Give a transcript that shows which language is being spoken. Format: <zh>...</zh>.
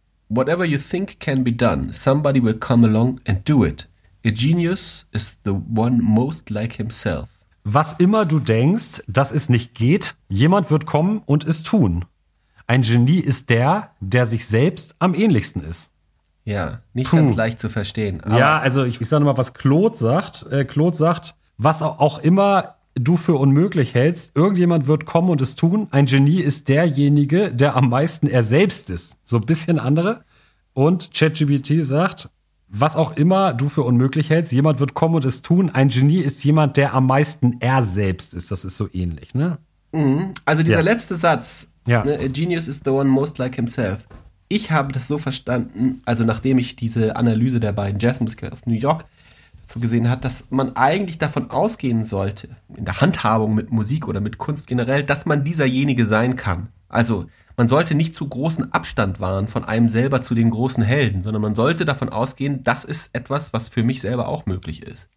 <en>Whatever you think can be done, somebody will come along and do it. A genius is the one most like himself.</en> <de>Was immer du denkst, dass es nicht geht, jemand wird kommen und es tun. Ein Genie ist der, der sich selbst am ähnlichsten ist. Ja, nicht ganz leicht zu verstehen. Aber ja, also ich sage nochmal, was Claude sagt. Claude sagt, was auch immer du für unmöglich hältst, irgendjemand wird kommen und es tun. Ein Genie ist derjenige, der am meisten er selbst ist. So ein bisschen andere. Und ChatGPT sagt, was auch immer du für unmöglich hältst, jemand wird kommen und es tun. Ein Genie ist jemand, der am meisten er selbst ist. Das ist so ähnlich, ne? Also dieser letzte Satz. Ja.</de> <en>A genius is the one most like himself.</en> <de>Ich habe das so verstanden, also nachdem ich diese Analyse der beiden Jazzmusiker aus New York dazu gesehen habe, dass man eigentlich davon ausgehen sollte, in der Handhabung mit Musik oder mit Kunst generell, dass man dieserjenige sein kann. Also man sollte nicht zu großen Abstand wahren von einem selber zu den großen Helden, sondern man sollte davon ausgehen, das ist etwas, was für mich selber auch möglich ist.</de>